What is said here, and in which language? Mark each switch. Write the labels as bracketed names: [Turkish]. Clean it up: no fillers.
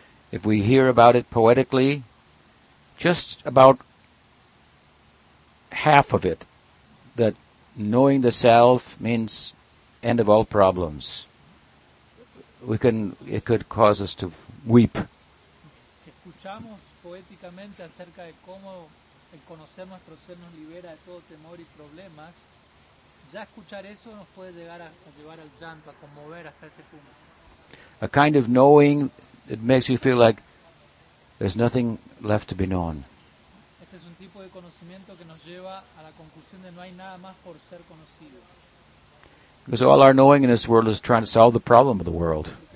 [English] If we hear about it poetically, just about half of it, that knowing the self means end of all problems, it could cause us to weep. [Spanish] Si escuchamos poéticamente acerca de cómo el conocer nuestro ser nos libera de todo temor y problemas, ya escuchar eso nos puede llegar a llevar al llanto, a conmover hasta ese punto. [English] A kind of knowing that makes you feel like there's nothing left to be known. [Spanish] Este es un tipo de conocimiento que nos lleva a la conclusión de no hay nada más por ser conocido. [English] Because all our knowing in this world is trying to solve the problem of the world.